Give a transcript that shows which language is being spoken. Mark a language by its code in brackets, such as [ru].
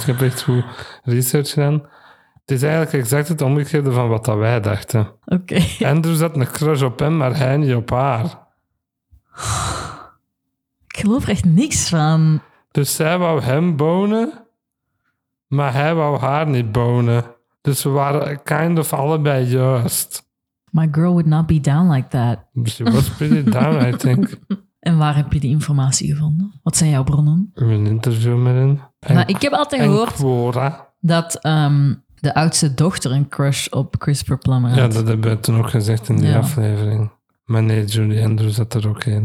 [nl] Ik heb echt goed research gedaan. Het is eigenlijk exact het omgekeerde van wat dat wij dachten. Oké. Okay. Andrews had een crush op hem, maar hij niet op haar. Ik geloof er echt niks van. Dus zij wou hem bonen, maar hij wou haar niet bonen. Dus we waren [en] kind of [nl] allebei juist. [en] My girl would not be down like that. She was pretty down, I think. [nl] En waar heb je die informatie gevonden? Wat zijn jouw bronnen? In een interview met hen. Nou, ik heb altijd gehoord dat de oudste dochter een crush op Christopher Plummer had. Ja, dat heb je toen ook gezegd in die aflevering. Maar nee, Julie Andrews had er ook een.